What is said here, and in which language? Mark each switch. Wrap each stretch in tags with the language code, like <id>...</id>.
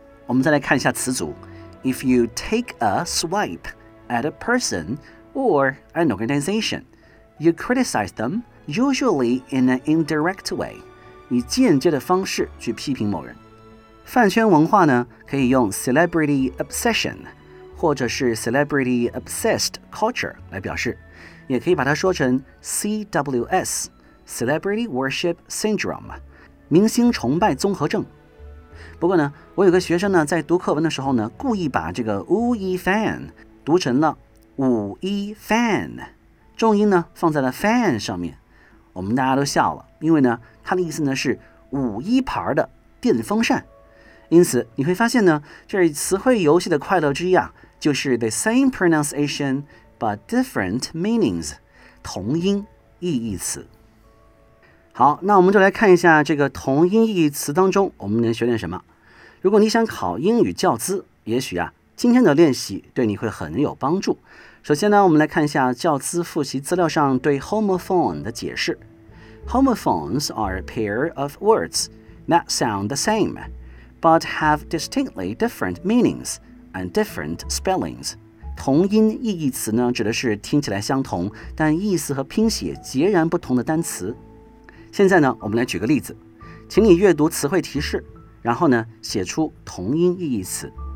<zh>我们再来看一下词组</zh> <en>If you take a swipe at a person or an organization, you criticize them usually in an indirect way.</en> <zh>以间接的方式去批评某人。饭圈文化呢，可以用 celebrity obsession 或者是 celebrity obsessed culture 来表示，也可以把它说成 CWS Celebrity Worship Syndrome明星崇拜综合症。不过呢，我有个学生呢在读课文的时候呢，故意把这个 Wu Yi Fan 读成了 Wu Yi Fan， 重音呢放在了 fan 上面，我们大家都笑了，因为呢他的意思呢是五一牌的电风扇。因此你会发现呢，这词汇游戏的快乐之一啊，就是</zh> <en>the same pronunciation but different meanings，</en> <zh>同音异义词。好，那我们就来看一下这个同音异义词当中我们能学点什么。如果你想考英语教资，也许啊今天的练习对你会很有帮助。首先呢，我们来看一下教资复习资料上对 homophone 的解释。</zh> <en>Homophones are a pair of words that sound the same but have distinctly different meanings and different spellings。</en> <zh>同音异义词呢，指的是听起来相同但意思和拼写截然不同的单词。现在呢，我们来举个例子，请你阅读词汇提示，然后呢写出同音异义词。</zh>